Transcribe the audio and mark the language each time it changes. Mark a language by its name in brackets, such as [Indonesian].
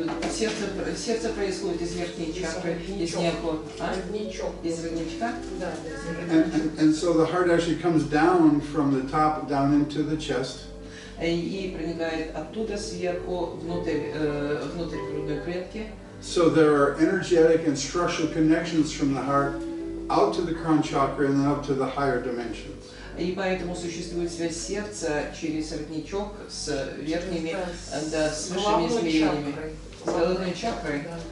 [Russian] Сердце происходит из верхней чакры, из нее, из родничка. [English] And so the heart actually comes down from the top down into the chest. [Russian] И проникает оттуда сверху внутрь грудной клетки. [English] So there are energetic and structural connections from the heart out to the crown chakra and then up to the higher dimensions. [Russian] И поэтому существует связь сердца через родничок с верхними, да, с высшими измерениями, с головной чакрой.